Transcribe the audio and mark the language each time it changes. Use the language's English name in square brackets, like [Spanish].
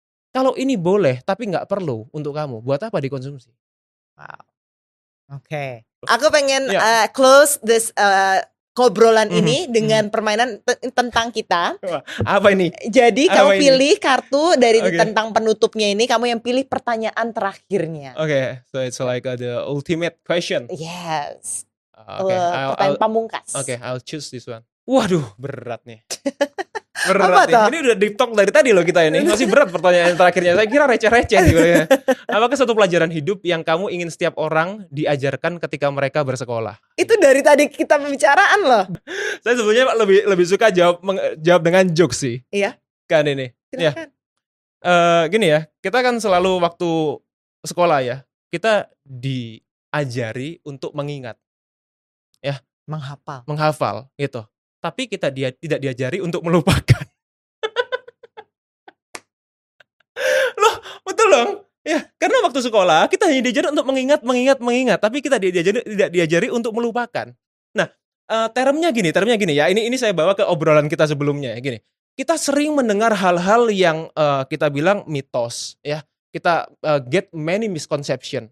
[Indonesian] Kalau ini boleh tapi gak perlu untuk kamu, buat apa dikonsumsi? Wow. Oke. Okay. Aku pengen [English] close this [Indonesian] kobrolan ini dengan permainan tentang kita. Apa ini? Jadi apa kamu ini? Pilih kartu dari tentang penutupnya ini, kamu yang pilih pertanyaan terakhirnya. [English] Oke, okay, so it's like the ultimate question. [Indonesian] Yes. Okay, pertanyaan pamungkas. [English] Oke, okay, I'll choose this one. [Indonesian] Waduh, berat nih. Berat nih. Ini udah deep talk dari tadi loh kita ini. Masih berat pertanyaan terakhirnya. Saya kira receh-receh gitu ya. Apakah satu pelajaran hidup yang kamu ingin setiap orang diajarkan ketika mereka bersekolah? Itu dari tadi kita pembicaraan loh. Saya sebenarnya lebih suka jawab dengan joke sih. Iya. Kan ini. Silakan. Ya. Gini ya, kita kan selalu waktu sekolah ya, kita diajari untuk mengingat. Ya, menghafal. Menghafal gitu. Tapi kita tidak diajari untuk melupakan. Loh, betul dong? Ya, karena waktu sekolah kita hanya diajari untuk mengingat, mengingat, mengingat. Tapi kita tidak diajari untuk melupakan. Nah, termnya gini ya. Ini saya bawa ke obrolan kita sebelumnya ya. Gini, kita sering mendengar hal-hal yang kita bilang mitos ya. [English] Kita get many misconception.